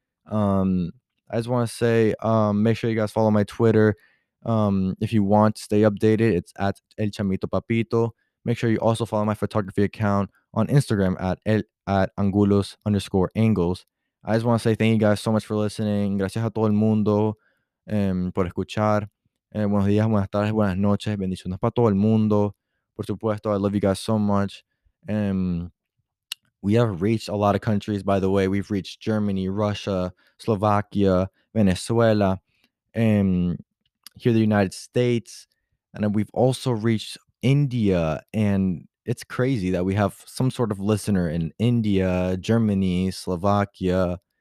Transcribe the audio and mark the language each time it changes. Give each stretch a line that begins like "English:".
English: I just want to say, make sure you guys follow my Twitter. If you want to stay updated, it's at El Chamito Papito. Make sure you also follow my photography account on Instagram at @angulos_angles. I just want to say thank you guys so much for listening.
Spanish: Gracias a todo el mundo por escuchar. Buenos días, buenas tardes, buenas noches, bendiciones para todo el mundo. Por supuesto,
English: I love you guys so much. We have reached a lot of countries, by the way. We've reached Germany, Russia, Slovakia, Venezuela, here the United States. And we've also reached India. And it's crazy that we have some sort of listener in India, Germany, Slovakia.